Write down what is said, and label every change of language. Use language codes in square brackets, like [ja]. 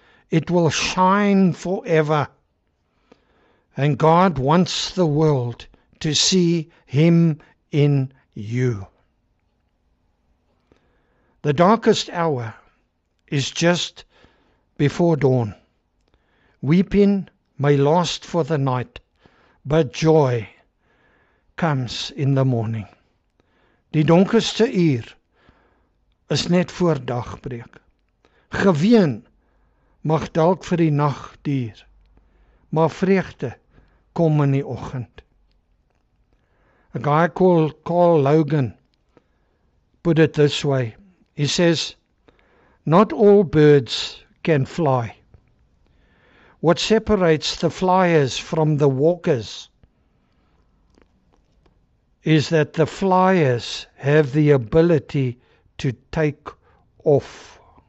[en] It will shine forever. And God wants the world to see him in you. The darkest hour is just before dawn. Weeping may last for the night, but joy comes in the morning. [af] Die donkerste uur is net voor dagbreek. Geween mag dalk vir die nag duur, maar vreugde kom in die oggend. [en] A guy called Carl Logan put it this way. He says, "Not all birds can fly. What separates the flyers from the walkers is that the flyers have the ability to take off."